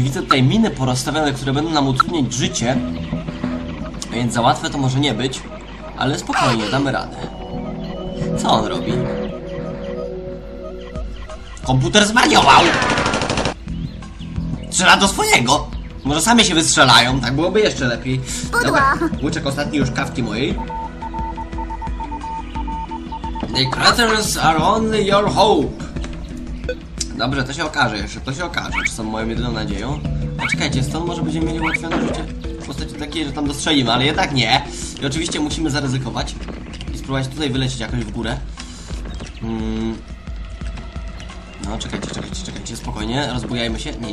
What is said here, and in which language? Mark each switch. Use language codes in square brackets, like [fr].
[pl] Widzę tutaj miny porozstawione, które będą nam utrudniać życie. Więc za łatwe to może nie być, ale spokojnie, damy radę. Co on robi? Komputer zwariował! Strzela do swojego! Może sami się wystrzelają, tak byłoby jeszcze lepiej. Dobra, łyczek ostatni już kawki mojej. [en] The craters are only your hope! [pl] Dobrze, to się okaże jeszcze, to się okaże, czy są moją jedyną nadzieją. A czekajcie, stąd może będziemy mieli ułatwione życie? W postaci takiej, że tam dostrzelimy, ale jednak nie. I oczywiście musimy zaryzykować i spróbować tutaj wylecieć jakoś w górę. No, czekajcie, spokojnie, rozbujajmy się.